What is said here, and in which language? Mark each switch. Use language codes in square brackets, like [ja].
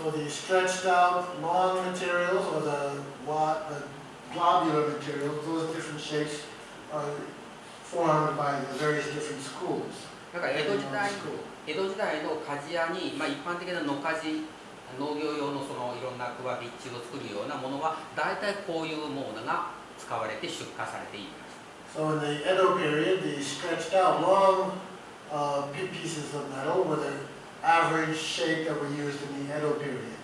[en] So the stretched out long materials or the globular materials, those different shapes are formed by the various different schools. [ja] だから江戸時代の鍛冶屋に、一般的な野鍛冶、農業用のいろんな桑木、一物作るようなものは、大体こういうものが使われて出荷されています。 [en] So in the Edo period, the stretched out long pieces of metal were the average shape that were used in the Edo period.